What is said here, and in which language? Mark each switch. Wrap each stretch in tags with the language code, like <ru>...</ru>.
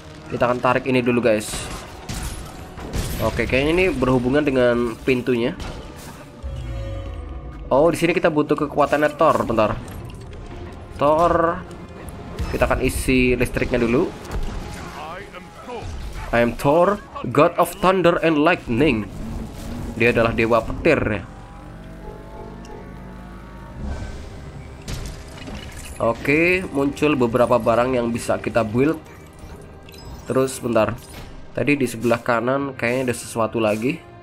<id>Kita akan tarik ini dulu, guys. Oke, kayaknya ini berhubungan dengan pintunya. Oh, di sini kita butuh kekuatannya Thor, bentar. Thor. Kita akan isi listriknya dulu.</id> <en>I am Thor, God of Thunder and Lightning.</en> <id>Dia adalah dewa petir ya. Oke, muncul beberapa barang yang bisa kita build. Terus, bentar. Tadi di sebelah kanan kayaknya ada sesuatu lagi.</id>